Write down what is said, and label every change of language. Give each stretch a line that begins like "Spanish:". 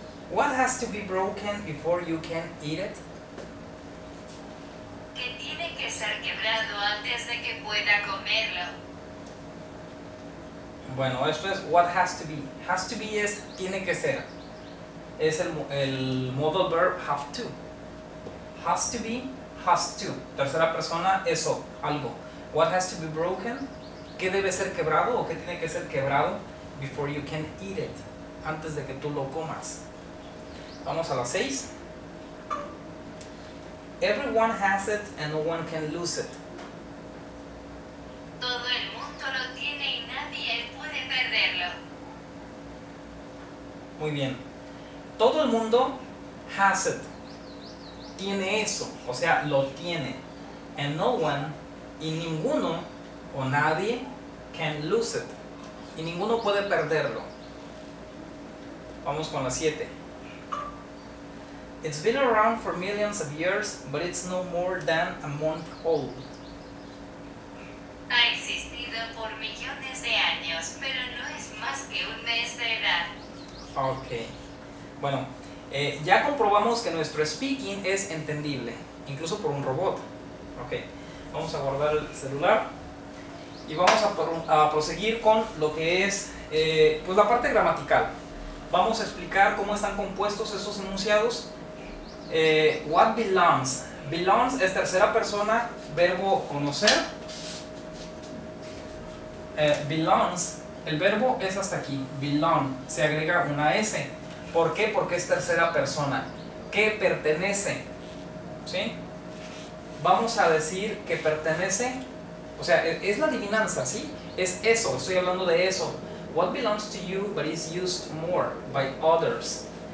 English: What has to be broken before you can eat it?
Spanish: Que tiene que ser quebrado antes de que pueda comerlo. Bueno, esto es
English: what has to be. Has to be
Spanish: es tiene que ser. Es el
English: modal verb have to. has to be, has to.
Spanish: Tercera persona, eso, algo.
English: What has to be broken?
Spanish: ¿Qué debe ser quebrado o qué tiene que ser quebrado?
English: Before you can eat it.
Spanish: Antes de que tú lo comas. Vamos a las 6.
English: Everyone has it and no one can lose it.
Spanish: Todo el mundo lo tiene y nadie puede perderlo. Muy bien. Todo el mundo
English: has it.
Spanish: Tiene eso, o sea, lo tiene.
English: And no one,
Spanish: y ninguno, o nadie,
English: can lose it.
Spanish: Y ninguno puede perderlo. Vamos con la 7.
English: It's been around for millions of years, but it's no more than a month old.
Spanish: Ha existido por millones de años, pero no es más que un mes de edad. Ok. Bueno, ya comprobamos que nuestro speaking es entendible, incluso por un robot. Ok. Vamos a guardar el celular. Y vamos a proseguir con lo que es pues la parte gramatical. Vamos a explicar cómo están compuestos esos enunciados.
English: What belongs?
Spanish: Belongs es tercera persona, verbo conocer. Belongs, el verbo es hasta aquí, belong, se agrega una S. ¿Por qué? Porque es tercera persona. ¿Qué pertenece? ¿Sí? Vamos a decir que pertenece, o sea, es la adivinanza, ¿sí? Es eso, estoy hablando de eso.
English: What belongs to you but is used more by others?